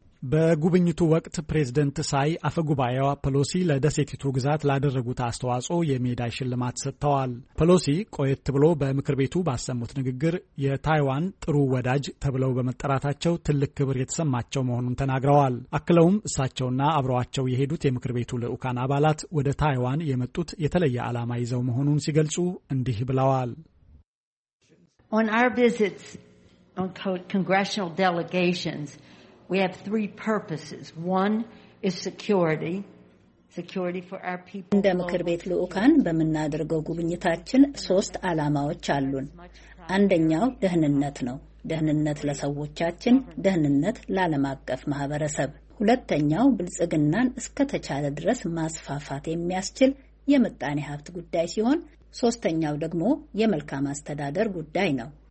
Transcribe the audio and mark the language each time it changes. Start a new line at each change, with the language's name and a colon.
Amharic: በጉብኝቱ ወቅት ፕሬዝደንት ሳይ አፈጉባኤዋ ፖሎሲ ለደሴቲቱ ግዛት ላደረጉት አስተዋጽኦ የሜዳይ ሽልማት ሰጥተዋል። ፖሎሲ ቆየት ብሎ በምክር ቤቱ ባሰሙት ንግግር የታይዋን ጥሩ ወዳጅ ተብለው በመጠራታቸው ትልቅ ክብር የተሰማቸው መሆኑን ተናግረዋል። አክለውም እሳቸውና አብረዋቸው የሄዱት የምክር ቤቱ ልዑካን አባላት ወደ ታይዋን የመጡት የተለየ ዓላማ ይዘው መሆኑን ሲገልጹ እንዲህ ብለዋል።
English: On our visits on congressional delegations, we have three purposes. One is security. Security for our people.
Amharic: እንደ ምክር ቤት ልዑካን በመናደርገው ጉብኝታችን ሶስት ዓላማዎች አሉን። አንደኛው ደህንነት ነው። ደህንነት ለሰዎቻችን፣ ደህንነት ለዓለም አቀፍ ማህበረሰብ። ሁለተኛው ብልጽግናን እስከተቻለ ድረስ ማስፋፋት የሚያስችል የምጣኔ ሀብት ጉዳይ ሲሆን ሶስተኛው ደግሞ የመልካም አስተዳደር ጉዳይ ነው።